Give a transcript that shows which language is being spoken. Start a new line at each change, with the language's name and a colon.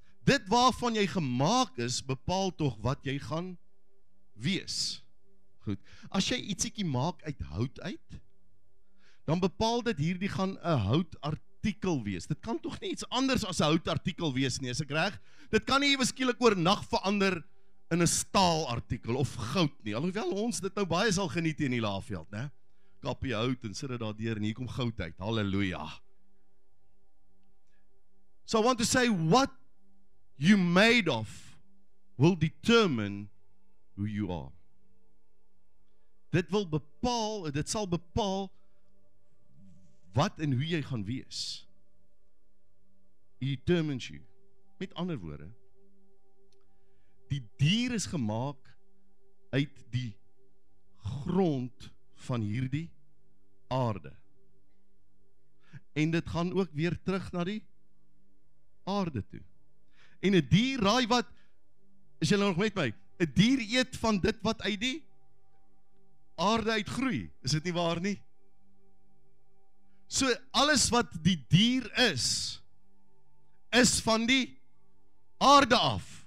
Afrikaans: Dit waarvan jy gemaak is, bepaal toch wat jy gaan wees. Goed, as jy ietsiekie maak uit hout uit, dan bepaal dit hierdie gaan een houtartikel wees. Dit kan toch nie iets anders as een houtartikel wees nie, as ek reg. Dit kan nie miskielik oor nacht verander in een staalartikel of goud nie. Alhoewel ons dit nou baie sal geniet in die laafveld, ne? Kap jy hout en sit dit daar deur en hier kom goud uit. Halleluja.
English: So I want to say what you made of will determine who you are.
Afrikaans: Dit wil bepaal, dit sal bepaal wat en hoe jy gaan wees.
English: It determines you.
Afrikaans: Met ander woorde, die dier is gemaak uit die grond van hierdie aarde. En dit gaan ook weer terug na die aarde toe. En een dier, raai wat, is jy nog met my, een dier eet van dit wat uit die aarde uitgroei, is dit nie waar nie? So alles wat die dier is, is van die aarde af.